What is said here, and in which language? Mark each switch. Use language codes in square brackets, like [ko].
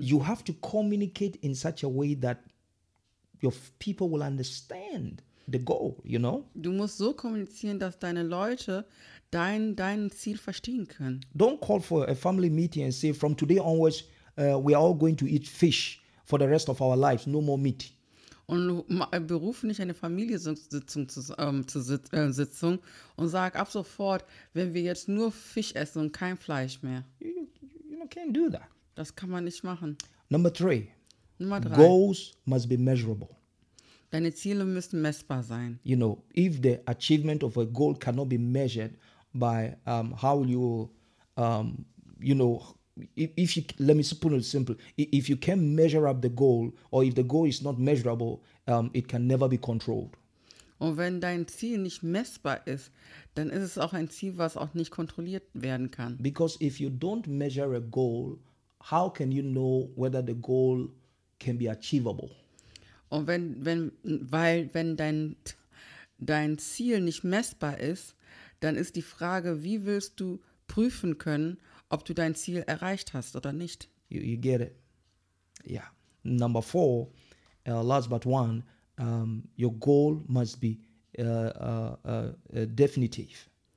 [en] You have to communicate in such a way that your people will understand the goal, you know? [de] Du musst so kommunizieren, dass deine Leute dein Ziel verstehen können. [en] Don't call for a family meeting and say, from today onwards, we are all going to eat fish for the rest of our lives, no more meat. [de] Und beruf nicht eine Familiensitzung zur Sitzung und sag ab sofort, wenn wir jetzt nur Fisch essen und kein Fleisch mehr. [en] You can't do that. [de] Das kann man nicht machen. [en] Number three. Goals must be measurable. [de] Deine Ziele müssen messbar sein. [en] You know, if the achievement of a goal cannot be measured by how you, you know, if you, let me put it simple, if you can't measure up the goal or if the goal is not measurable, it can never be controlled. [de] Und wenn dein Ziel nicht messbar ist, dann ist es auch ein Ziel, was auch nicht kontrolliert werden kann. [en] Because if you don't measure a goal, how can you know whether the goal can be achievable? [de] Und wenn dein Ziel nicht messbar ist, dann ist die Frage, wie willst du prüfen können, ob du dein Ziel erreicht hast oder nicht? [en] You get it. Yeah. Number four, last but one, your goal must be definitive.